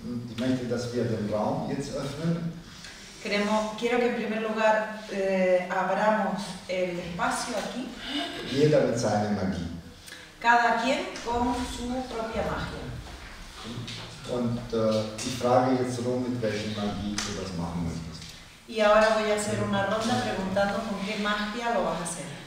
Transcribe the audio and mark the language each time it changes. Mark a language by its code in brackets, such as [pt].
[de] Ich möchte, dass wir den Raum jetzt öffnen. [es] Queremos, quiero que en primer lugar abramos el espacio aquí. [de] Jeder mit seiner Magie. [es] Cada quien con su propia magia. [de] Und ich frage jetzt rum, mit welcher Magie du das machen möchtest. [es] Y ahora voy a hacer una ronda preguntando con qué magia lo vas a hacer.